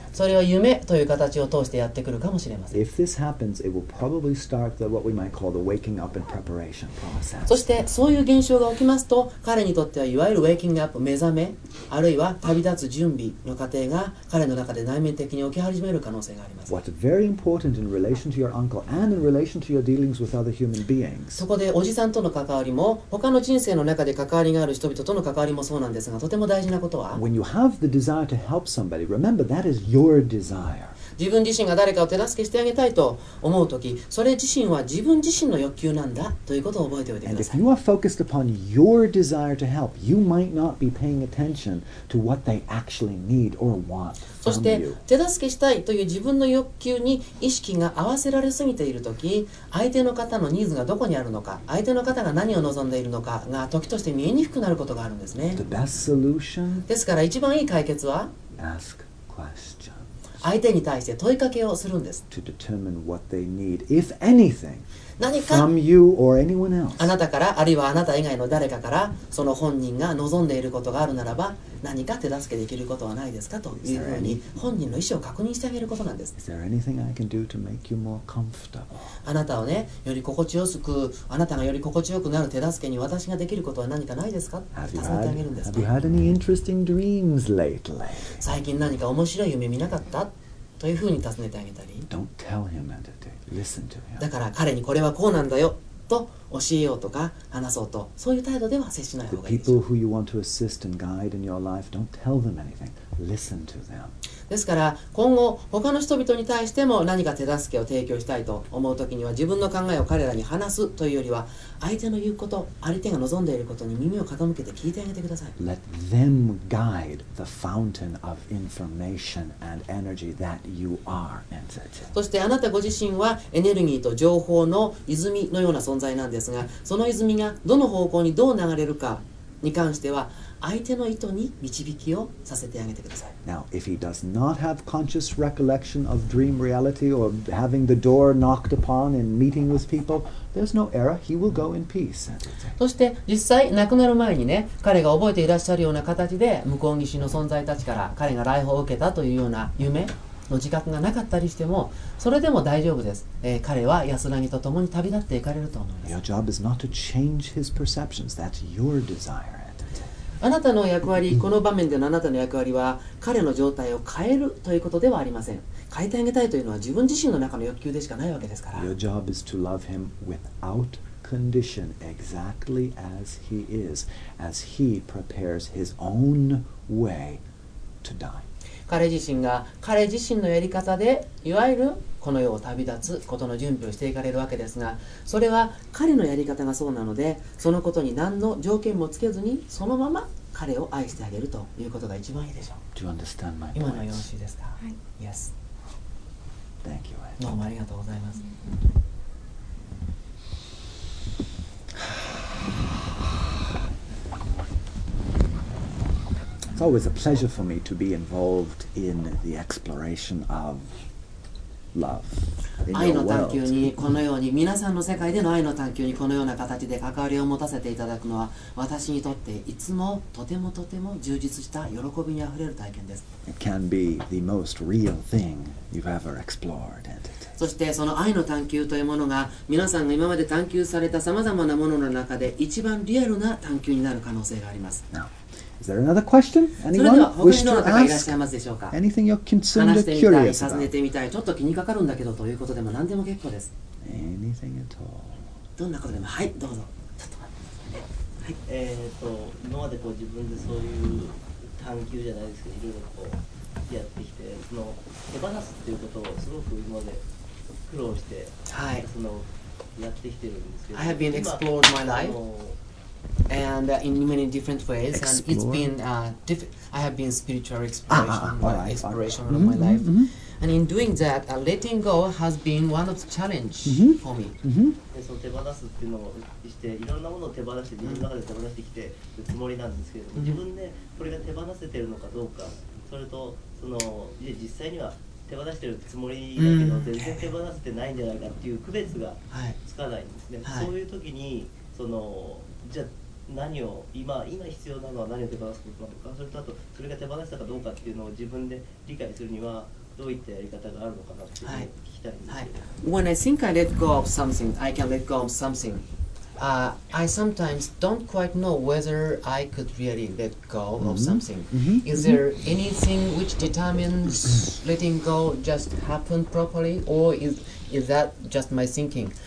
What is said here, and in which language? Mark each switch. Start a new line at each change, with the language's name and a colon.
Japanese: それは夢という形を通してやってくるかもしれません。
English: If this happens, it will probably start the, what we might call the waking up and preparation process.
Japanese: そしてそういう現象が起きますと、彼にとってはいわゆる
English: waking up
Japanese: 目覚め、あるいは旅立つ準備の過程が彼の中で内面的に起き始める可能性があります。
English: What's very important in relation to your uncle and in relation to your dealings with other human beings.
Japanese: そこでおじさんとの関わりも、他の人生の中で関わりがある人々との関わりもそうなんですが、とても大事なことは、
English: When you have the desire to help somebody, remember that is your desire.
Japanese: 自分自身が誰かを手助けしてあげたいと思うとき、それ自身は自分自身の欲求なんだということを覚えておいてください。
English: And if you are focused upon your desire to help, you might not be paying attention to what they actually need or want from you.
Japanese: そして、手助けしたいという自分の欲求に意識が合わせられすぎているとき、相手の方のニーズがどこにあるのか、相手の方が何を望んでいるのかが時として見えにくくなることがあるんですね。
English: The best solution?
Japanese: ですから一番いい解決は
English: Ask questions.
Japanese: 相手に対して問いかけをするんです。
English: To determine what they need, if anything,
Japanese: 何か
English: from you or anyone else.
Japanese: あなたから、あるいはあなた以外の誰かから、その本人が望んでいることがあるならば、何か手助けできることはないですかというふうに本人の意思を確認してあげることなんです。
English: Is there anything I can do to make you more comfortable?
Japanese: あなたをね、より心地よく、あなたがより心地よくなる手助けに私ができることは何かないですか？尋ねてあげるんです。
English: Have you had any interesting dreams lately?
Japanese: 最近何か面白い夢見なかった？というふうに尋ねてあげたり。
English: Don't tell him that. Listen to him.
Japanese: だから彼にこれはこうなんだよ。と教えようとか話そうとそういう態度では接しない方がいいでしょう。
English: The people who you want to assist and guide in your life, don't tell them anything. Listen to them.
Japanese: ですから今後他の人々に対しても何か手助けを提供したいと思うときには自分の考えを彼らに話すというよりは相手の言うこと、相手が望んでいることに耳を傾けて聞いてあげてください。
English: Let them guide the fountain of information and energy that you are, entity.
Japanese: そしてあなたご自身はエネルギーと情報の泉のような存在なんですが、その泉がどの方向にどう流れるかに関しては相手の意図に導きをさせてあげてください。
English: Now, if he does not have conscious recollection of dream reality or having the door knocked upon and meeting with people, there's no error. He will go in peace.
Japanese: そして実際亡くなる前にね、彼が覚えていらっしゃるような形で向こう岸の存在たちから彼が来訪を受けたというような夢の自覚がなかったりしても、それでも大丈夫です。彼は安らぎと共に旅立っていかれると思います。
English: Your job is not to change his perceptions. That's your desire.
Japanese: あなたの役割、この場面でのあなたの役割は彼の状態を変えるということではありません。変えてあげたいというのは自分自身の中の欲求でしかないわけですから。
English: Your job is to love him without condition, exactly as he is, as he prepares his own way to die.
Japanese: 彼自身が彼自身のやり方で、いわゆるこの世を旅立つことの準備をしていかれるわけですが、それは彼のやり方がそうなので、そのことに何の条件もつけずにそのまま彼を愛してあげるということが一番いいでしょう。
English: Do you understand my
Japanese: 今のよろしいですか。はい、
English: Yes. Thank you.
Japanese: どうもありがとうございます。
English: It's always a pleasure for me to be involved in the exploration ofLove.
Japanese: 愛の探求にこのように皆さんの世界での愛の探求にこのような形で関わりを持たせていただくのは、私にとっていつもとてもとても充実した喜びにあふれる体験です。
English: It can be the most real thing you've ever explored, and it.
Japanese: そしてその愛の探求というものが、皆さんが今まで探求されたさまざまなものの中で一番リアルな探求になる可能性があります。
English: Is there another question? Anyone wish to ask? Anything you're concerned or curious about?
Japanese: 尋ねてみたい、ちょっと気にかかるんだけどということでも何でも結構です。
English: Anything at all?
Japanese: どんなことでも、はい、どうぞ。ちょっと待ってください。はい、今までこう自分でそういう探求じゃないですけど、いろいろこうやってきて、その手放すっていうことをすごく今まで苦労して、はい、そのやってきてるんですけど、
English: I have been explored my life. And in many different ways, explore. And it's been I have been spiritual exploration of my life, and in doing that, letting go has been one of the challenge for me.
Japanese: So, 手放すっていうのをして、いろんなものを手放して自分の中で手放してきてるつもりなんですけど、自分でこれが手放せてるのかどうか、それとその実際には手放してるつもりだけど、全然手放せてないんじゃないかっていう区別がつかないんですね。そういう時にそのじゃあ何を今必要なのは何を手放すことなのか、それとあとそれが手放したかどうかっていうのを自分で理解するにはどういったやり方があるのかなっていうのを聞きたいんですけど、はい、
English: When I think I let go of something, I can let go of something. I sometimes don't quite know whether I could really let go of something. Is there anything which determines letting go just happen properly, or is that just my thinking?